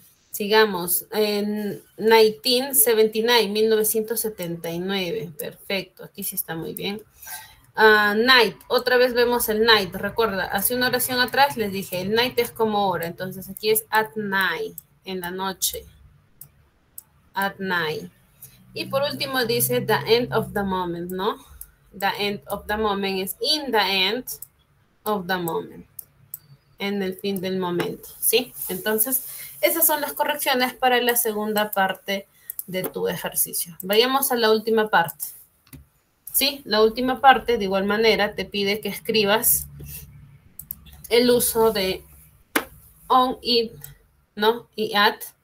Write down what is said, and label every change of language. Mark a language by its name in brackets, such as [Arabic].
[Spanish] Sigamos. En 1979, 1979. Perfecto. Aquí sí está muy bien. Night. Otra vez vemos el night. Recuerda, hace una oración atrás les dije, el night es como hora. Entonces aquí es at night, en la noche. At night. Y por último dice [English] the end of the moment, [Spanish] ¿no? [English] The end of the moment is in the end of the moment. [Spanish] En el fin del momento, ¿sí? Entonces, esas son las correcciones para la segunda parte de tu ejercicio. Vayamos a la última parte. ¿Sí? La última parte, de igual manera, te pide que escribas el uso de on, it, ¿no? Y at.